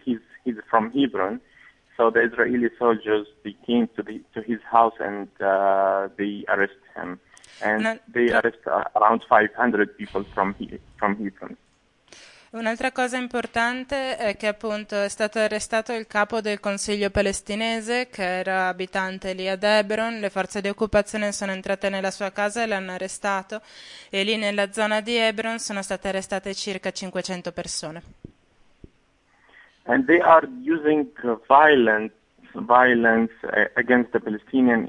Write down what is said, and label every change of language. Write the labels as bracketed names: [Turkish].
[English] He's from Hebron, so the Israeli soldiers they came to his house and they arrest him, and they arrest around 500 people from Hebron. [Italian] Un'altra cosa importante è che appunto è stato arrestato il capo del Consiglio palestinese che era abitante lì ad Hebron, le forze di occupazione sono entrate nella sua casa e l'hanno arrestato e lì nella zona di Hebron sono state arrestate circa 500 persone. [English] And they are using violence against the Palestinian.